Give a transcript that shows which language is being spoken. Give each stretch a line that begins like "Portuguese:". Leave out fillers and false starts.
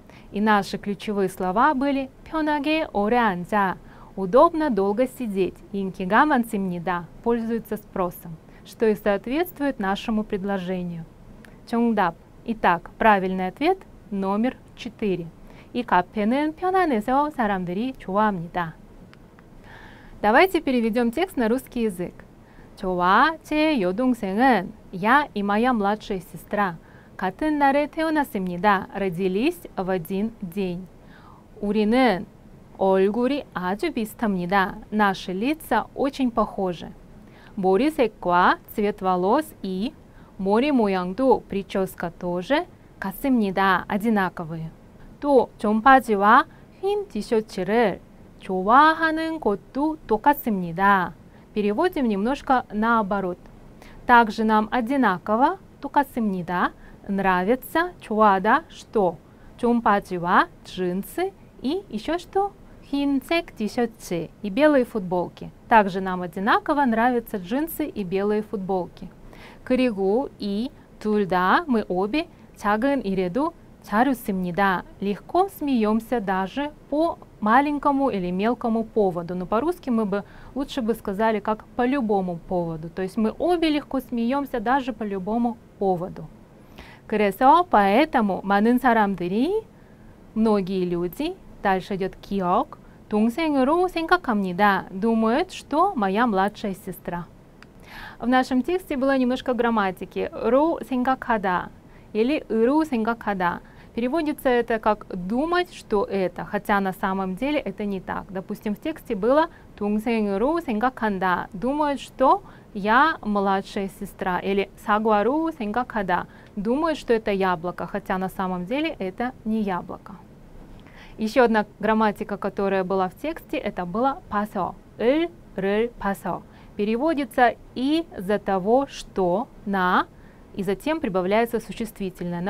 Russian: И наши ключевые слова были
Korean: 편하게 오래 앉아,
Russian: удобно долго сидеть, и
Korean: 인기가 많습니다,
Russian: пользуются спросом, что и соответствует нашему предложению.
Korean: 정답.
Russian: Итак, правильный ответ номер 4.
Korean: И кафе는 편안해서 사람들이 좋아합니다.
Russian: Давайте переведем текст на русский язык.
Korean: 저와 제 여동생은,
Russian: я и моя младшая сестра,
Korean: 같은 날에 태어났습니다.
Russian: Родились в один день.
Korean: 우리는 얼굴이 아주 비슷합니다.
Russian: Наши лица очень похожи.
Korean: 머리 색과
Russian: цвет волос и
Korean: 머리 모양도
Russian: прическа тоже
Korean: 같습니다.
Russian: Одинаковые.
Korean: 또 점바지와 흰 티셔츠를 좋아하는 것도 똑같습니다.
Russian: Переводим немножко наоборот. Также нам одинаково,
Korean: 똑같습니다,
Russian: нравится,
Korean: 좋아하다,
Russian: что?
Korean: 점바지와
Russian: джинсы и еще что?
Korean: 흰색 티셔츠
Russian: и белые футболки. Также нам одинаково нравятся джинсы и белые футболки.
Korean: 그리고 이 둘 다
Russian: мы обе
Korean: 작은 일에도 잘 웃습니다.
Russian: Легко смеемся даже по маленькому или мелкому поводу. Но по-русски мы бы лучше бы сказали как по любому поводу. То есть мы обе легко смеемся даже по любому поводу.
Korean: 그래서
Russian: поэтому
Korean: 많은 사람들이
Russian: многие люди, дальше идет
Korean: 기억, 동생으로 생각합니다.
Russian: Думают, что моя младшая сестра. В нашем тексте было немножко грамматики.
Korean: 로 생각하다 или 으로 생각하다.
Russian: Переводится это как думать, что это, хотя на самом деле это не так. Допустим, в тексте было 동생으로 생각한다. Думают, что я младшая сестра.
Korean: Или 사과로 생각하다.
Russian: Думают, что это яблоко, хотя на самом деле это не яблоко. Еще одна грамматика, которая была в тексте, это было 봐서.
Korean: 을, 를, 봐서.
Russian: Переводится из-за того, что, на, и затем прибавляется существительное.